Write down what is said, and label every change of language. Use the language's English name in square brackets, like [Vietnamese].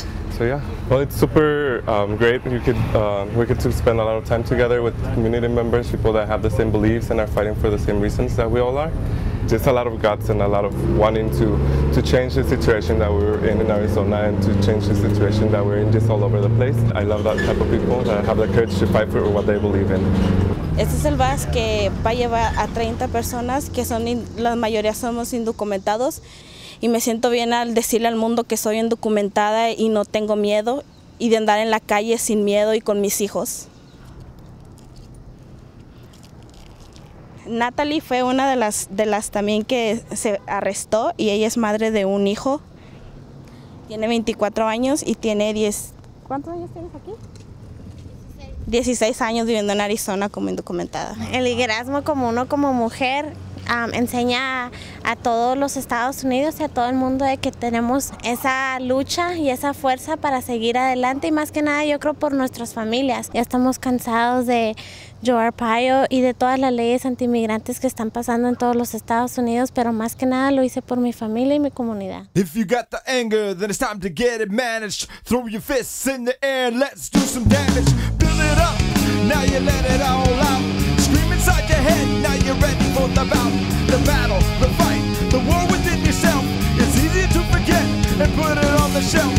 [English] So yeah, well, it's super great. We get to spend a lot of time together with community members, people that have the same beliefs and are fighting for the same reasons that we all are. just a lot of guts and a lot of wanting to change the situation that we're in Arizona and to change the situation that we're in just all over the place. I love that type of people that have the courage to fight for what they believe in. [Spanish] Este es el bus que va a llevar a 30 personas que son la mayoría somos indocumentados y me siento bien al decirle al mundo que soy indocumentada y no tengo miedo y de andar en la calle sin miedo y con mis hijos. Natalie fue una de las también que se arrestó y ella es madre de un hijo. Tiene 24 años y tiene 10. ¿Cuántos años tienes aquí? 16 años viviendo en Arizona como indocumentada. El liderazgo como uno como mujer enseña a todos los Estados Unidos y a todo el mundo de que tenemos esa lucha y esa fuerza para seguir adelante y más que nada yo creo por nuestras familias. Ya estamos cansados de Joe Arpaio y de todas las leyes anti-inmigrantes que están pasando en todos los Estados Unidos, pero más que nada lo hice por mi familia y mi comunidad. [English] If you got the anger, then it's time to get it managed. Throw your fists in the air, let's do some damage. Build it up, now you let it all out. Scream inside your head, now you're ready for the bout. The battle, the fight, the war within yourself. It's easy to forget and put it on the shelf.